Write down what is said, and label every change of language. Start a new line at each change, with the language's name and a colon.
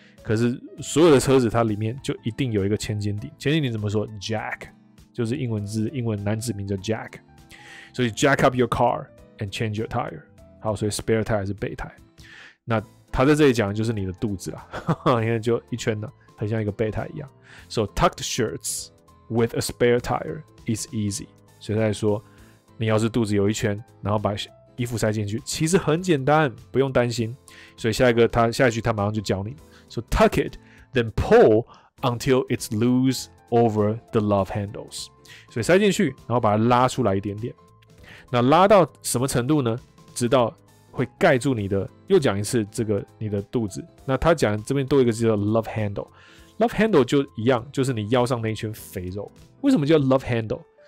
Chinese: 可是所有的车子它里面就一定有一个千斤顶。千斤顶怎么说？Jack， 就是英文字，英文男子名叫 Jack。
English: 所以 Jack up your car and change your tire。
Chinese: 好，所以 spare tire 是备胎。那他在这里讲的就是你的肚子啦，因为就一圈呢很像一个备胎一样。
English: So tucked shirts with a spare tire is easy。
Chinese: 所以他在说你要是肚子有一圈，然后把衣服塞进去，其实很简单，不用担心。所以下一句他马上就教你。
English: So tuck it, then pull until it's loose over the love handles.
Chinese: 所以塞进去，然后把它拉出来一点点。那拉到什么程度呢？直到会盖住你的，又讲一次这个你的肚子。那他讲这边多一个字叫 love handle。 Love handle 就一样，就是你腰上那一圈肥肉。为什么叫 love handle？